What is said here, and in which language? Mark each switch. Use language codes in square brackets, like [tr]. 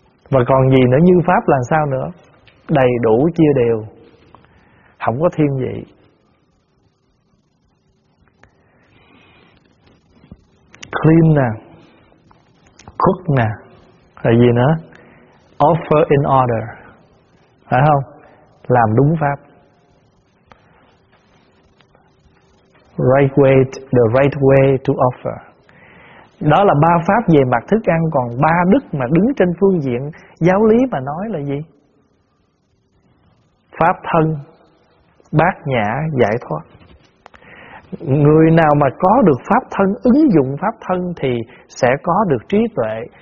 [vi] Và còn gì nữa? Như pháp là sao nữa? Đầy đủ chia đều, không có thiên vị. Clean nè, cook nè, là gì nữa? [en] Offer in order, [vi] phải không? Làm đúng pháp. [en] Right way, the right way to offer. [vi] Đó là ba pháp về mặt thức ăn. Còn ba đức mà đứng trên phương diện giáo lý mà nói là gì? Pháp thân, bát nhã, giải thoát. Người nào mà có được pháp thân, ứng dụng pháp thân thì sẽ có được trí tuệ.